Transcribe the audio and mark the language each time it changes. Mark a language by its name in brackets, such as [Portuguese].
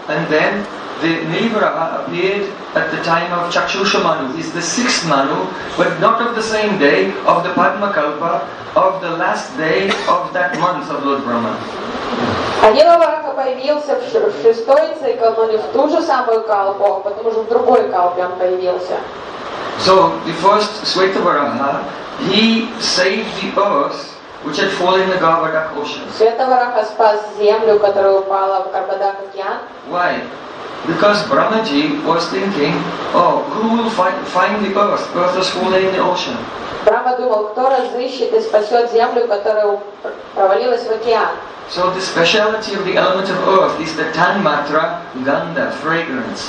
[English] And then the Nilvaraha appeared at the time of Chakshusha Manu, is the sixth Manu, but not of the same day of the Padma Kalpa, of the last day of that month of Lord Brahma. [Russian] А Нилавараха появился в шестой цикл, но не в ту же самую Калпу, потом уже в другой Калпе он появился. [English] So the first Sweta Varaha, he saved the earth which had fallen in the Garbhadak ocean. [Russian] Sweta Varaha spas землю, которая упала в Garbhadak океан. [English] Why? Because Brahmaji was thinking, oh, who will find the earth? Earth was falling in the ocean. [Russian] Brahma думал, кто разыщет и спасет землю, которая провалилась в океан. [English] So the speciality of the element of earth is the tanmatra ganda, fragrance.